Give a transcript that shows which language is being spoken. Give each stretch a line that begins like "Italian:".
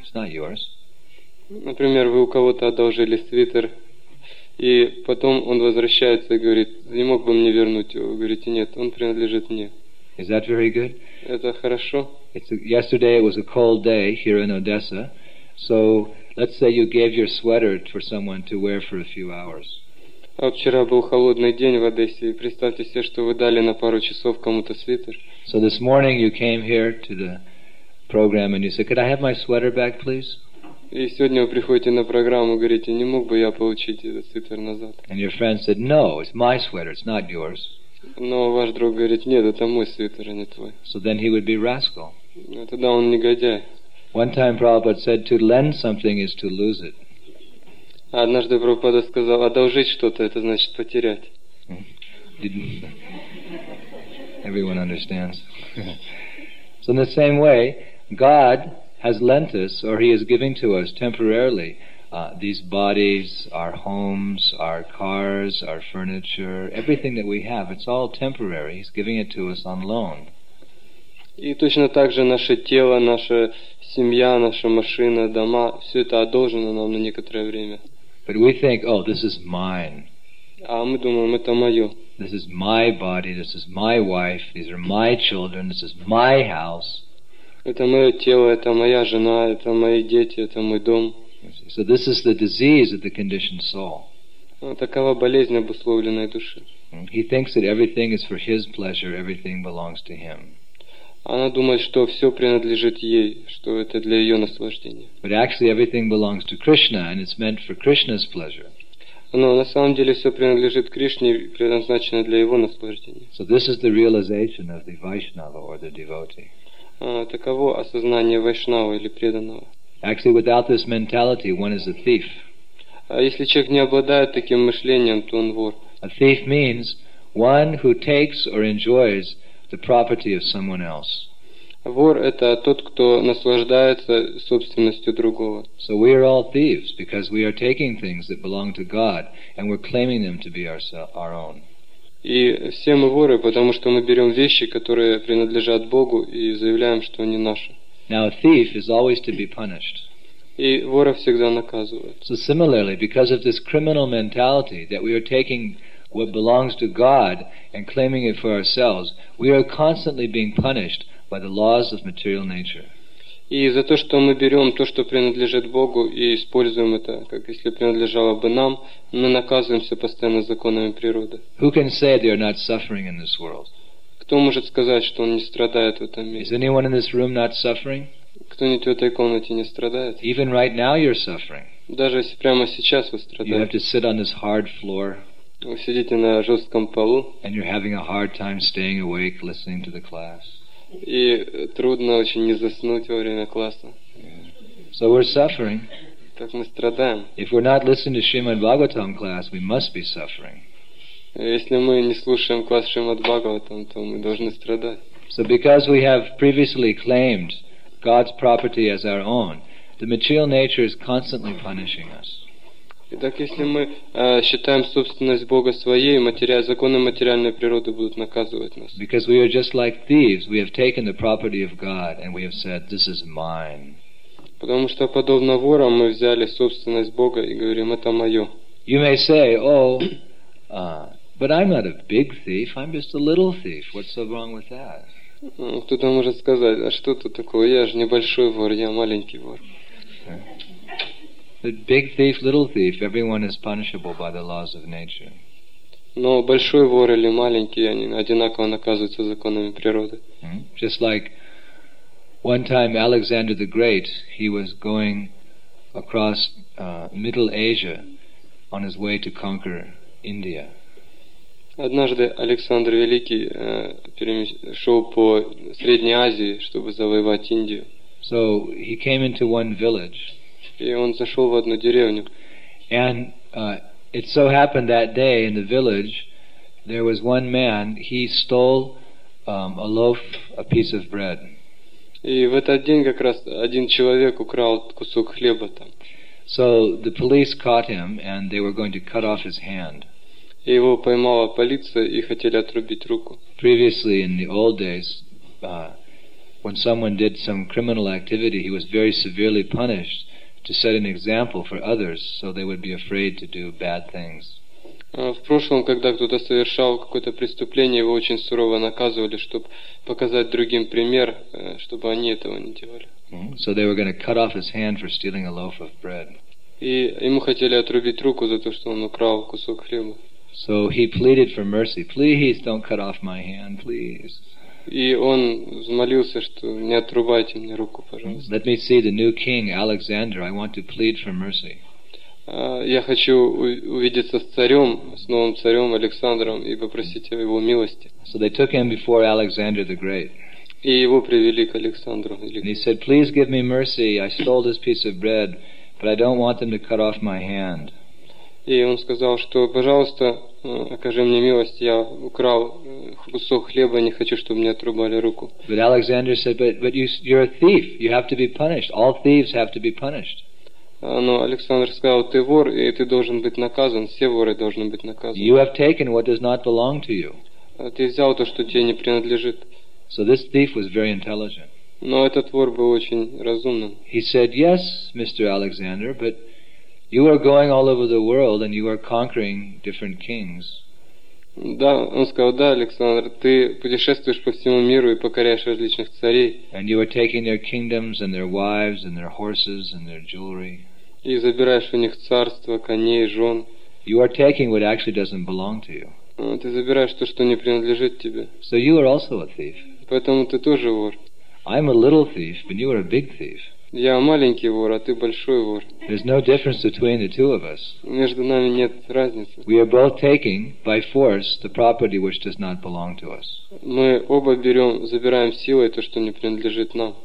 English: It's not yours."
Russian: Например, вы у кого-то одолжили свитер, и потом он возвращается и говорит, "Не мог бы мне вернуть его?" Вы говорите, "Нет, он принадлежит мне."
English: Is that very good?
Russian: Это хорошо.
English: Yesterday it was a cold day here in Odessa, so let's say you gave your sweater for someone to wear for a few hours.
Russian: А вчера был холодный день в Одессе, и представьте себе, что вы дали на пару часов кому-то свитер.
English: So this morning you came here to the program and you said, "Could I have my sweater back, please?"
Russian: И сегодня вы приходите на программу и говорите, не мог бы я получить этот свитер назад?
English: And your friend said, "No, it's my sweater, it's not yours."
Russian: Но ваш друг говорит, нет, это мой свитер, а не твой.
English: So then he would be rascal.
Russian: Тогда он негодяй.
English: One time Prabhupada said, to lend something is to lose it.
Russian: Однажды Прабхупада сказал, одолжить что-то, это значит потерять.
English: Everyone understands. So in the same way, God has lent us, or he is giving to us temporarily, these bodies, our homes, our cars, our furniture, everything that we have, it's all temporary. He's giving it to us on loan.
Russian: И точно так же наше тело, наша семья, наша машина, дома, все это одолжено нам на некоторое время.
English: But we think, oh, this is mine.
Russian: А мы думаем, это мое.
English: This is my body, this is my wife, these are my children, this is my house.
Russian: Это мое тело, это моя жена, это мои дети, это мой дом.
English: So this is the disease of the conditioned soul.
Russian: Такова болезнь обусловленной души.
English: He thinks that everything is for his pleasure, everything belongs to him.
Russian: Она думает, что все принадлежит ей, что это для ее наслаждения.
English: But actually everything belongs to Krishna and it's meant for Krishna's pleasure.
Russian: Но на самом деле все принадлежит Кришне и предназначено для его наслаждения.
English: So this is the realization of the Vaishnava or the devotee.
Russian: Таково осознание Вайшнава или преданного.
English: Actually, without this mentality, one is a thief.
Russian: Если человек не обладает таким мышлением, то он вор.
English: A thief means one who takes or enjoys the property of someone else.
Russian: Вор – это тот, кто наслаждается собственностью другого.
English: So we are all thieves because we are taking things that belong to God and we're claiming them to be our own.
Russian: И все мы воры, потому что мы берем вещи, которые принадлежат Богу, и заявляем, что они наши.
English: Now a thief is always to be punished.
Russian: И вора всегда наказывают.
English: So similarly, because of this criminal mentality that we are taking what belongs to God and claiming it for ourselves, we are constantly being punished by the laws of material nature.
Russian: И за то, что мы берем то, что принадлежит Богу, и используем это, как если принадлежало бы нам, мы наказываемся постоянно законами природы.
English: Who can say they are not suffering in this world?
Russian: Кто может сказать, что он не страдает в этом мире?
English: Is anyone in this room not suffering?
Russian: Кто-нибудь в этой комнате не страдает?
English: Even right now you're suffering.
Russian: Даже если прямо сейчас вы страдаете.
English: You have to sit on this hard floor.
Russian: Вы сидите на жестком полу.
English: And you're having a hard time staying awake listening to the class.
Russian: И трудно очень не заснуть во время класса.
English: So we're suffering.
Russian: Так мы страдаем.
English: If we're not listening to Srimad Bhagavatam class, we must be suffering.
Russian: Если мы не слушаем класс Шримад Бхагаватам, то мы должны страдать.
English: So because we have previously claimed God's property as our own, the material nature is constantly punishing us.
Russian: Итак, если мы считаем собственность Бога своей, законы материальной природы будут наказывать нас.
English: Because we are just like thieves, we have taken the property of God and we have said, "This is mine."
Russian: Потому что подобно ворам мы взяли собственность Бога и говорим, это мое.
English: You may say, "Oh, but I'm not a big thief. I'm just a little thief. What's so wrong with that?"
Russian: Кто-то может сказать, а что тут такого? Я же небольшой вор, я маленький вор.
English: But big thief, little thief, everyone is punishable by the laws of nature.
Russian: Но большой вор или маленький, они одинаково наказываются законами природы.
English: Just like one time Alexander the Great, he was going across Middle Asia on his way to conquer India.
Russian: Однажды Александр Великий перешел по Средней Азии, чтобы завоевать Индию.
English: So he came into one village.
Russian: И он зашел в одну деревню.
English: And it so happened that day in the village there was one man, he stole a loaf, a piece of bread.
Russian: И в этот день как раз один человек украл кусок хлеба там.
English: So the police caught him and they were going to cut off his hand.
Russian: И его поймала полиция и хотели отрубить руку.
English: Previously in the old days when someone did some criminal activity he was very severely punished to set an example for others so they would be afraid to do bad things.
Russian: В прошлом, когда кто-то совершал какое-то преступление, его очень сурово наказывали, чтобы показать другим пример, чтобы они этого не делали.
English: So they were going to cut off his hand for stealing a loaf of bread.
Russian: И ему хотели отрубить руку за то, что он украл кусок хлеба.
English: So he pleaded for mercy. Please don't cut off my hand, please.
Russian: И он взмолился, что не отрубайте мне руку, пожалуйста.
English: Let me see the new king, Alexander. I want to plead for mercy.
Russian: Я хочу увидеться с новым царем Александром и попросить о его милости.
English: So they took him before Alexander the Great.
Russian: И его привели к Александру.
English: And he said, please give me mercy. I stole this piece of bread, but I don't want them to cut off my hand.
Russian: И он сказал, что, пожалуйста, окажи мне милость, я украл кусок хлеба, не хочу, чтобы мне отрубали руку.
English: But Alexander said, but you're a thief, you have to be punished. All thieves have to be punished.
Russian: Но Александр сказал, ты вор, и ты должен быть наказан, все воры должны быть наказаны.
English: You have taken what does not belong to you.
Russian: Ты взял то, что тебе не принадлежит.
English: So this thief was very intelligent.
Russian: Но этот вор был очень разумным.
English: He said, yes, Mr. Alexander, but you are going all over the world and you are conquering different kings.
Russian: Да, он сказал, да, Александр, ты путешествуешь по всему миру и покоряешь различных царей.
English: And you are taking their kingdoms and their wives and their horses and their jewelry.
Russian: И забираешь у них царство, коней, жен.
English: You are taking what actually doesn't belong to you.
Russian: Ты забираешь то, что не принадлежит тебе.
English: So you are also a thief.
Russian: Поэтому ты тоже вор.
English: I'm a little thief, but you are a big thief.
Russian: Я маленький вор, а ты большой вор.
English: There's no difference between the two of us.
Russian: Между нами нет разницы.
English: We are both taking by force the property which does not belong to us.
Russian: Мы оба берем, забираем силой то, что не принадлежит нам.